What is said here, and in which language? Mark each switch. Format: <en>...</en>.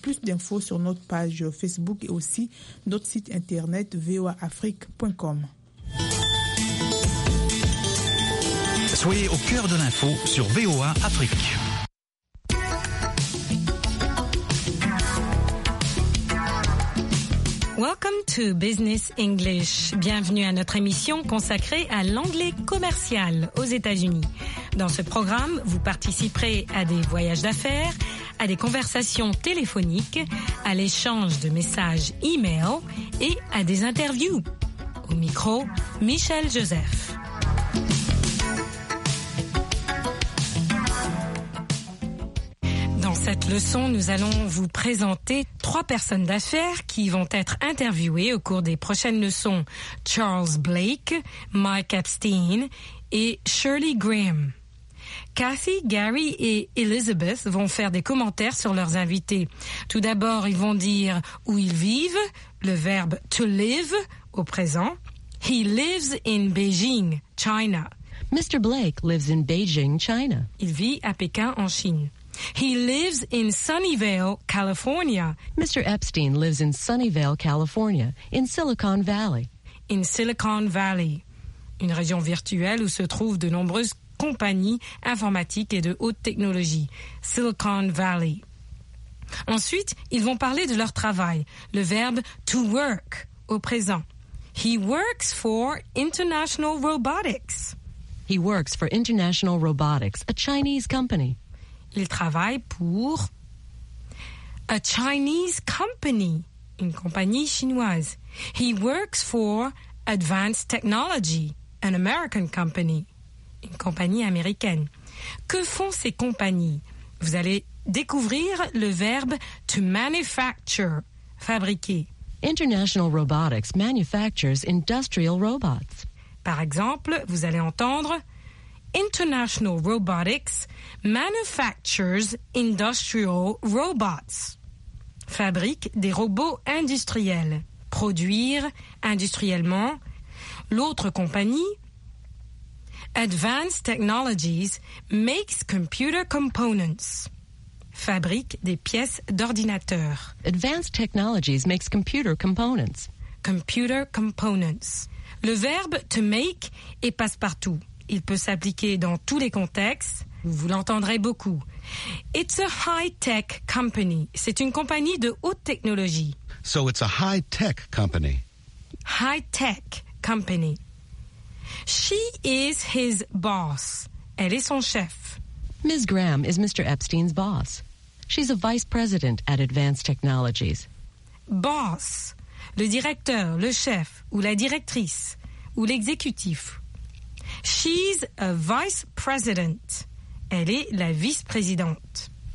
<fr>Plus d'infos sur notre page Facebook et aussi notre site internet voaafrique.com. Soyez au cœur de l'info sur VOA Afrique.</fr> <en>Welcome to Business English.</en> <fr>Bienvenue à notre émission consacrée à l'anglais commercial aux États-Unis. Dans ce programme, vous participerez à des voyages d'affaires, à des conversations téléphoniques, à l'échange de messages e-mail et à des interviews. Au micro, Michel Joseph. Cette leçon, nous allons vous présenter trois personnes d'affaires qui vont être interviewées au cours des prochaines leçons. Charles Blake, Mike Epstein et Shirley Graham. Kathy, Gary et Elizabeth vont faire des commentaires sur leurs invités. Tout d'abord, ils vont dire où ils vivent, le verbe to live au présent.</fr> <en>He lives in Beijing, China. Mr. Blake lives in Beijing, China.</en> <fr>Il vit à Pékin, en Chine.</fr> <en>He lives in Sunnyvale, California. Mr. Epstein lives in Sunnyvale, California, in Silicon Valley.</en> <fr>In Silicon Valley, une région virtuelle où se trouvent de nombreuses compagnies informatiques et de haute technologie. Silicon Valley. Ensuite, ils vont parler de leur travail, le verbe to work au présent.</fr> <en>He works for International Robotics. He works for International Robotics, a Chinese company.</en> <fr>Il travaille pour</fr> <en>a Chinese company,</en> <fr>une compagnie chinoise.</fr> <en>He works for Advanced Technology, an American company,</en> <fr>une compagnie américaine. Que font ces compagnies? Vous allez découvrir le verbe to manufacture, fabriquer.</fr> <en>International Robotics manufactures industrial robots.</en> <fr>Par exemple, vous allez entendre</fr> <en>International Robotics manufactures industrial robots.</en> <fr>Fabrique des robots industriels. Produire industriellement. L'autre compagnie,</fr> <en>Advanced Technologies makes computer components.</en> <fr>Fabrique des pièces d'ordinateur.</fr> <en>Advanced Technologies makes computer components. Computer components.</en> <fr>Le verbe to make est passe-partout. Il peut s'appliquer dans tous les contextes. Vous l'entendrez beaucoup.</fr> <en>It's a high-tech company.</en> <fr>C'est une compagnie de haute technologie.</fr> <en>So it's a high-tech company. High-tech company. She is his boss.</en> <fr>Elle est son chef.</fr> <en>Ms. Graham is Mr. Epstein's boss. She's a vice president at Advanced Technologies. Boss.</en> <fr>Le directeur, le chef, ou la directrice, ou l'exécutif.</fr> <en>She's a vice president.</en> <fr>Elle est la vice-présidente.</fr>